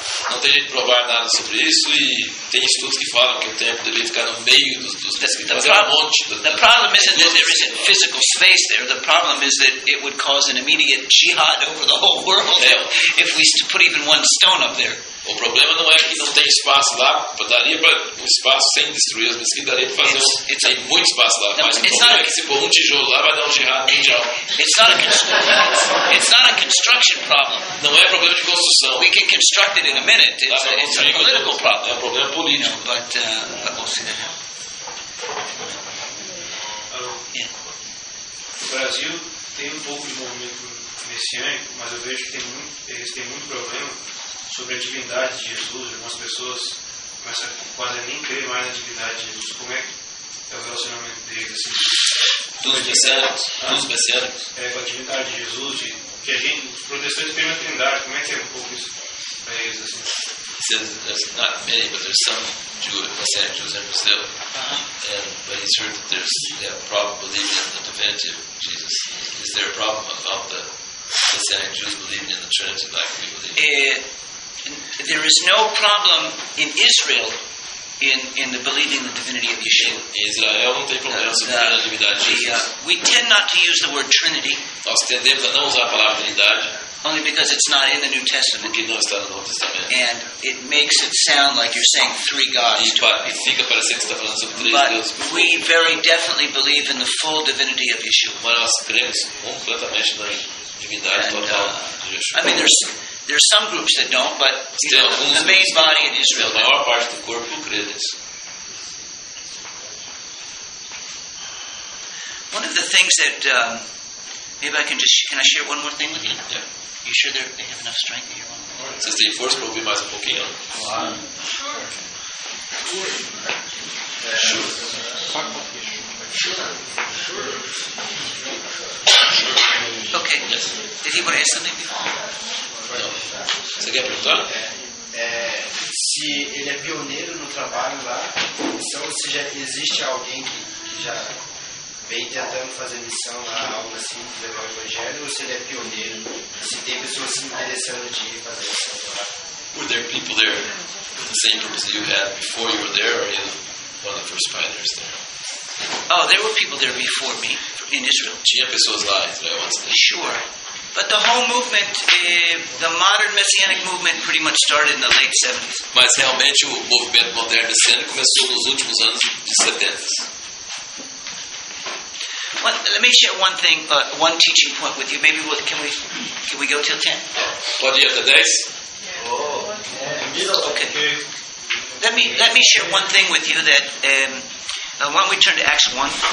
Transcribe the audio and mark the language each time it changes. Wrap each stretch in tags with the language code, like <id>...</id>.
<pt>Não tem jeito de provar nada sobre isso, e tem estudos que falam que o templo deveria ficar no meio dos mosquitos.</pt> <en>The problem isn't that there isn't physical space there. The problem is that it would cause an immediate jihad over the whole world if we put even one stone up there.</en> <pt>O problema não é que não tem espaço lá, daria para um espaço sem destruir as mesquitas, daria para fazer tem muito espaço lá, mas o problema é que se pôr um tijolo lá, vai dar um jihad mundial.</pt> <en>It's not a construction problem.</en> <pt>Não é problema de construção.</pt> <en>We can construct it in a minute. It's a political problem.</en> <pt>É um problema político.</pt> <en>You know, but we'll see that. Hello. Yeah.</en> <pt>O Brasil tem um pouco de movimento messiânico, mas eu vejo que eles têm muito problema sobre a divindade de Jesus. Algumas pessoas começam a quase nem crer mais na divindade de Jesus. Como é que é o relacionamento deles assim? Dos messiânicos. É, com a divindade de Jesus, que a gente, os protestantes têm a trindade. Como é que é um pouco isso para eles assim?</pt> <en>He says there's not many, but there's some Jews in Brazil. Uh-huh. But he's heard that there's a problem believing in the divinity of Jesus. Is there a problem about the Messianic Jews believing in the Trinity like we believe? There is no problem in Israel in the believing the divinity of Yeshua.</en> <pt>Em Israel não tem problema sobre a divindade de Jesus.</pt> <en>We tend not to use the word Trinity.</en> <pt>Nós tendemos a não usar a palavra Trindade.</pt> <en>Only because it's not in the New Testament.</en> <pt>Porque não está no Novo Testamento.</pt> <en>And it makes it sound like you're saying three gods.</en> <pt>E fica parecendo que está falando sobre três deuses.</pt> <en>But we very definitely believe in the full divinity of Yeshua.</en> <pt>Mas nós cremos completamente na divindade total de Yeshua.</pt> <en>I mean, there's some groups that don't, but the main body in Israel.</en> <pt>A maior parte do corpo crê nisso.</pt> <en>One of the things that maybe I can just can I share one more thing with you? Yeah. You sure they have enough strength here? Since they force probably</en> <pt>mais um pouquinho.</pt> <en>Sure. Sure. Okay. Yes. Did he want to ask something before?</en> <pt>Não. Você quer perguntar? Se ele é pioneiro no trabalho lá, ou se já existe alguém que já vem tentando fazer missão lá, algo assim, levar o evangelho, ou se ele é pioneiro, se tem pessoas se interessando de ir fazer missão lá.</pt> <en>Were there people there with the same purpose that you had before you were there, or you one of the first pioneers there? Oh, there were people there before me in Israel.</en> <pt>Tinha pessoas lá em Israel antes de.</pt> <en>Sure. But the whole movement, the modern messianic movement, pretty much started in the late 70s.</en> <pt>Mas realmente o movimento moderno messiânico começou nos últimos anos de 70.</pt> <en>Well, let me share one thing, one teaching point with you. Maybe we'll, can we go till 10?</en> <pt>Pode ir até 10?</pt> <en>Okay. Let me share one thing with you that why don't we turn to Acts 1?</en>